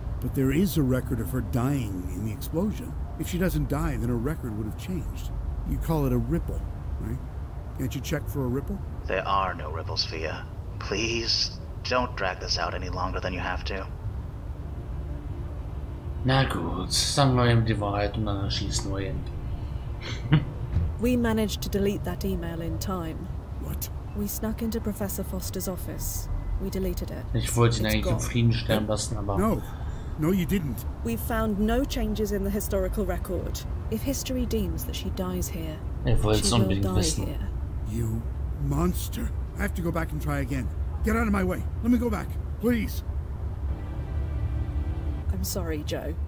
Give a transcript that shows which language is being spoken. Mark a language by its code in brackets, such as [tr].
[en] But there is a record of her dying in the explosion. If she doesn't die, then her record would have changed. You call it a ripple, right? Can't you check for a ripple? There are no ripples, Fia. Please, don't drag this out any longer than you have to. [de] Na gut, sagen wir ihm die Wahrheit und dann schließen wir ihn. [en] We managed to delete that email in time. What? We snuck into Professor Foster's office. We deleted it. [de] Ich wollte ihn eigentlich im Frieden sterben lassen, aber... [en] No, you didn't. We've found no changes in the historical record. If history deems that she dies here, she will die here. You monster. I have to go back and try again. Get out of my way. Let me go back. Please. I'm sorry, Joe.